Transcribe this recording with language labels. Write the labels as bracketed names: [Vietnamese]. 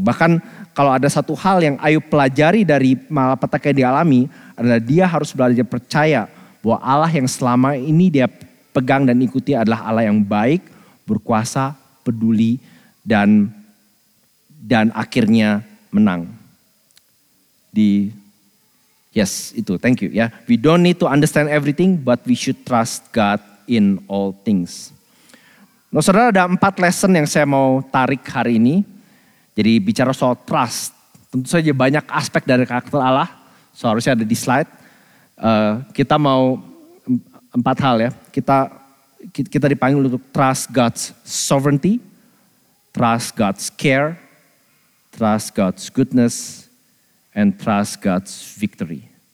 [Indonesian] Bahkan kalau ada satu hal yang Ayub pelajari dari malapetaka yang dialami, adalah dia harus belajar percaya bahwa Allah yang selama ini dia pegang dan ikuti adalah Allah yang baik, berkuasa, peduli, dan akhirnya menang. [English] Yes, [Indonesian] itu. [English] Thank you. Yeah. We don't need to understand everything, but we should trust God in all things. [Indonesian] Nah, saudara, ada 4 lesson yang saya mau tarik hari ini. Jadi bicara soal trust, tentu saja banyak aspek dari karakter Allah. Seharusnya ada di slide. Kita mau 4 hal ya. Kita dipanggil untuk [English] trust God's sovereignty, trust God's care, trust God's goodness, and trust God's victory.